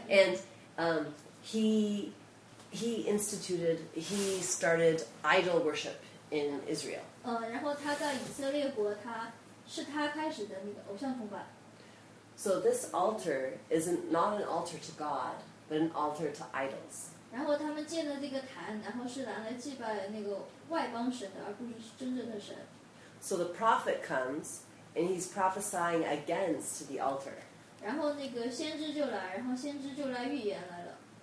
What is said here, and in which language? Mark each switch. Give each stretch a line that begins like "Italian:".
English: Yeah, and he started idol worship in Israel.
Chinese: 然后他在以色列国，他是他开始的那个偶像崇拜。
English: So this altar is not an altar to God, but an altar to idols.
Chinese: 然后他们建了这个坛，然后是拿来祭拜那个外邦神的，而不是真正的神。
English: So the prophet comes and he's prophesying against the altar.
Chinese: 然后那个先知就来，然后先知就来预言来了。